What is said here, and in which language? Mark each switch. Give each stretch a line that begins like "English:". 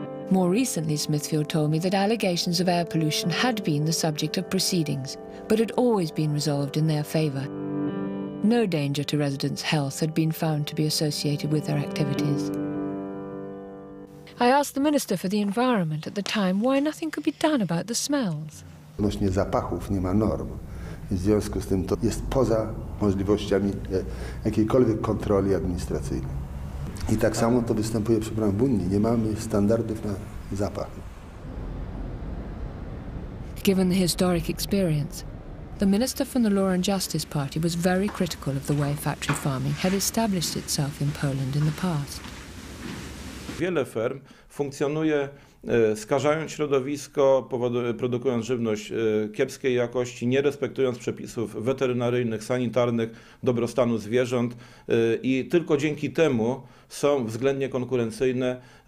English: More recently, Smithfield told me that allegations of air pollution had been the subject of proceedings, but had always been resolved in their favour. No danger to residents' health had been found to be associated with their activities. I asked the Minister for the Environment at the time why nothing could be done about the smells.
Polish: Odnośnie zapachów nie ma norm. W związku z tym to jest poza możliwościami jakiejkolwiek kontroli administracyjnej. I tak samo to występuje przy brambunni. Nie mamy standardów na zapach.
English: Given the historic experience, the minister from the Law and Justice Party was very critical of the way factory farming had established itself in Poland in the past.
Polish: Wiele ferm funkcjonuje skażając środowisko, produkując żywność kiepskiej jakości, nie respektując przepisów weterynaryjnych, sanitarnych, dobrostanu zwierząt i tylko dzięki temu są względnie konkurencyjne.